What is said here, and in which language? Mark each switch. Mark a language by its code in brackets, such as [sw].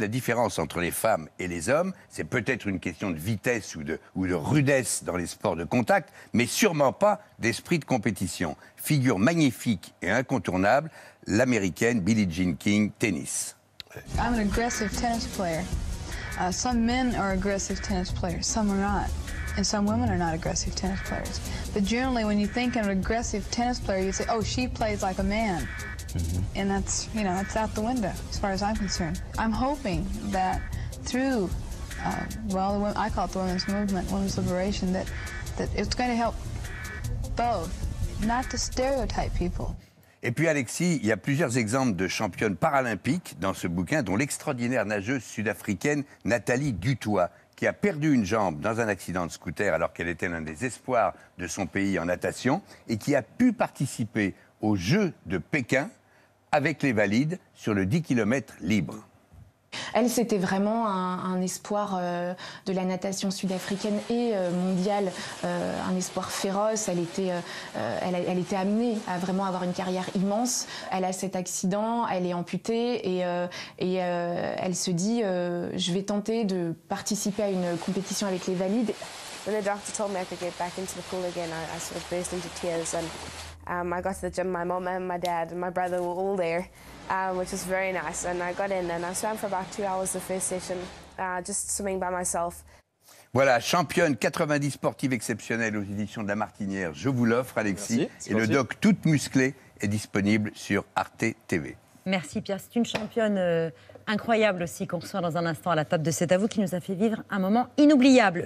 [fr] La différence entre les femmes et les hommes, c'est peut-être une question de vitesse ou de rudesse dans les sports de contact, mais sûrement pas d'esprit de compétition. Figure magnifique et incontournable, l'américaine Billie Jean King, tennis. [en] I'm an aggressive tennis player. Some men are aggressive tennis players, some are not. And some women are not aggressive tennis players. But generally, when you think of an aggressive tennis player, you say, oh, she plays like a man. Mm-hmm. And that's, you know, that's out the window, as far as I'm concerned. I'm hoping that through, I call it the women's movement, women's liberation, that it's going to help both, not to stereotype people. [fr] Et puis Alexis, il y a plusieurs exemples de championnes paralympiques dans ce bouquin, dont l'extraordinaire nageuse sud-africaine Nathalie Dutoit, qui a perdu une jambe dans un accident de scooter alors qu'elle était l'un des espoirs de son pays en natation et qui a pu participer aux Jeux de Pékin avec les valides sur le 10 km libre. Elle, c'était vraiment un espoir de la natation sud-africaine et mondiale, un espoir féroce. Elle était, elle était amenée à vraiment avoir une carrière immense. Elle a cet accident, elle est amputée et elle se dit « je vais tenter de participer à une compétition avec les valides ». [en] When the doctor told me I could get back into the pool again, I sort of burst into tears. And I got to the gym, my mom and my dad and my brother were all there, which was very nice. And I got in and I swam for about 2 hours the first session, just swimming by myself. [fr] Voilà, championne 90 sportive exceptionnelle aux éditions de la Martinière. Je vous l'offre, Alexis. Merci. Et le doc toute musclée est disponible sur Arte TV. Merci, Pierre. C'est une championne incroyable aussi qu'on reçoit dans un instant à la table de C'est à vous, qui nous a fait vivre un moment inoubliable.